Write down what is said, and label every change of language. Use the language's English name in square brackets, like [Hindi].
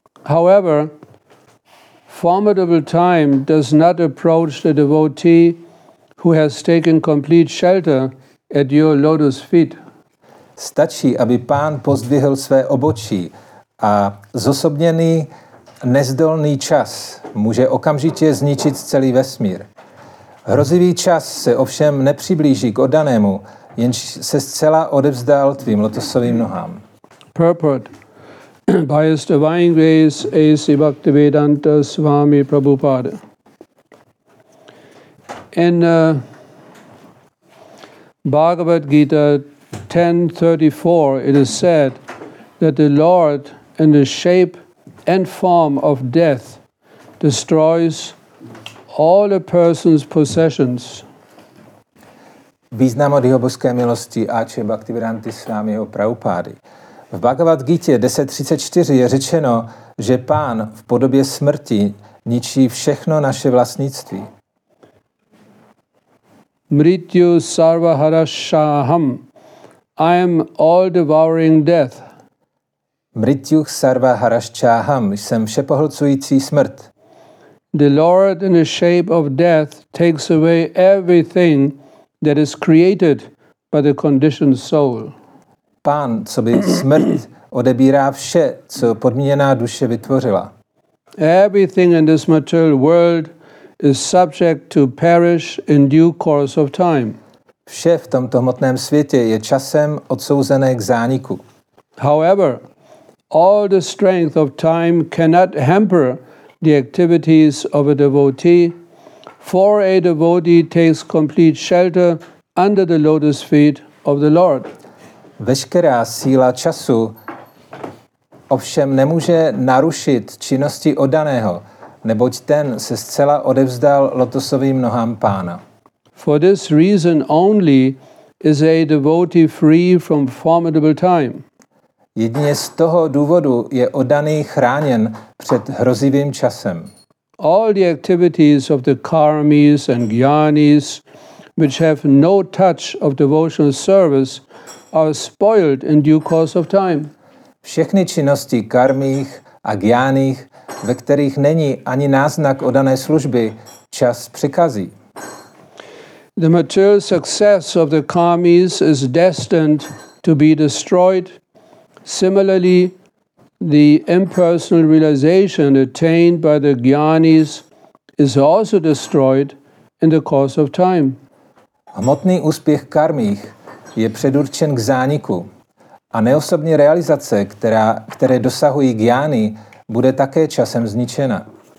[English] However, formidable time does not approach the devotee who has taken complete shelter at your lotus feet. [Czech] Stačí, aby pán pozdvihl své obočí a zosobněný nezdolný čas může okamžitě zničit celý vesmír. Hrozivý čas se ovšem nepřiblíží k oddanému, jenž se zcela odevzdal tvým lotosovým nohám. [English] Purport. By His Divine Grace, A.C. Bhaktivedanta Swami Prabhupada. In Bhagavad Gita 10.34, it is said that the Lord, in the shape and form of death, destroys all a person's possessions. [Czech] Význam od Jeho božské milosti A.C. Bhaktivedanta Swami Prabhupada. V Bhagavad Gita 10.34 je řečeno, že pán v podobě smrti ničí všechno naše vlastnictví. [Sanskrit] Mrityu sarvaharashaham, [English] I am all devouring death. [Sanskrit] Mrityu sarvaharashaham, [Czech] jsem všepohlcující smrt. [English] The Lord in the shape of death takes away everything that is created by the conditioned soul. [Czech] Pán, co by smrt, odebírá vše, co podmíněná duše vytvořila. [English] Everything in this material world is subject to perish in due course of time. [Czech] Vše v tomto hmotném světě je časem odsouzené k zániku. [English] However, all the strength of time cannot hamper the activities of a devotee, for a devotee takes complete shelter under the lotus feet of the Lord. [Czech] Veškerá síla času ovšem nemůže narušit činnosti oddaného, neboť ten se zcela odevzdal lotosovým nohám pána. [English] For this reason only is a devotee free from formidable time. [Czech] Jedině z toho důvodu je oddaný chráněn před hrozivým časem. [English] All the activities of the karmis and jnanis, which have no touch of devotional service, are spoiled in due course of time. [Czech] Všechny činnosti karmích a jnaních, ve kterých není ani náznak oddané služby, čas přikazí. [English] The material success of the karmis is destined to be destroyed. Similarly, the impersonal realization attained by the jnanis is also destroyed in the course of time. [Czech] Hmotný úspěch karmích je předurčen k zániku a neosobní realizace, které dosahují jnany, bude také časem zničena.